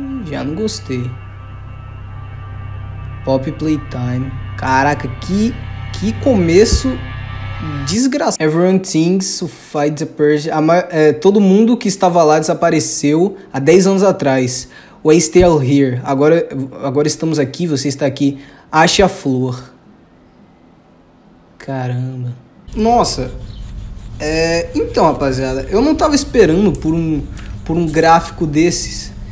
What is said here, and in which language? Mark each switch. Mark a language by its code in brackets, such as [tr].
[pt] Já não gostei. Pop Playtime. Caraca, que começo desgraçado. [en] Everyone thinks to fight the purge. [pt] Todo mundo que estava lá desapareceu há 10 anos atrás. [en] We're still here. [pt] Agora estamos aqui, você está aqui. Ache a flor. Caramba. Nossa, então rapaziada, eu não tava esperando por um gráfico desses.